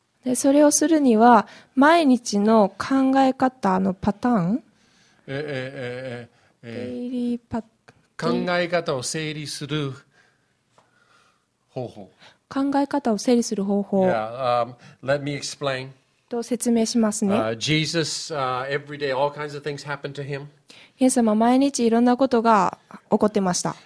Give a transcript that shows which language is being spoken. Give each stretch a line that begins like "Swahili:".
Japanese: で、それをするには、毎日の考え方のパターン、
English: daily pattern.
Japanese: 考え方を整理する方法。考え方を整理する方法。
English: Yeah, let me explain.
Japanese: と説明しますね。
English: Jesus, every day, all kinds of things happened to him.
Japanese: イエス様、毎日いろんなことが起こってました。